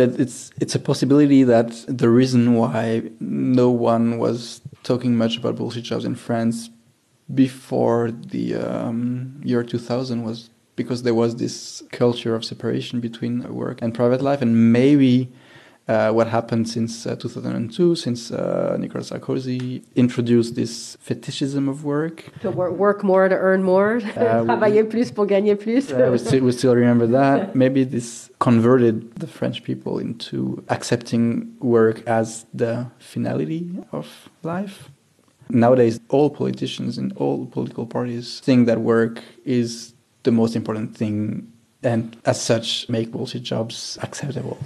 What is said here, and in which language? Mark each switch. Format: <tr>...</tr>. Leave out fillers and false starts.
<en>It's a possibility that the reason why no one was talking much about bullshit jobs in France before the year 2000 was because there was this culture of separation between work and private life. And maybe what happened since 2002, since Nicolas Sarkozy introduced this fetishism of work. To work more to earn more.</en> <fr>Travailler plus pour gagner plus.</fr> <en>We still remember that. Maybe this converted the French people into accepting work as the finality of life. Nowadays, all politicians and all political parties think that work is the most important thing and as such make bullshit jobs acceptable.</en>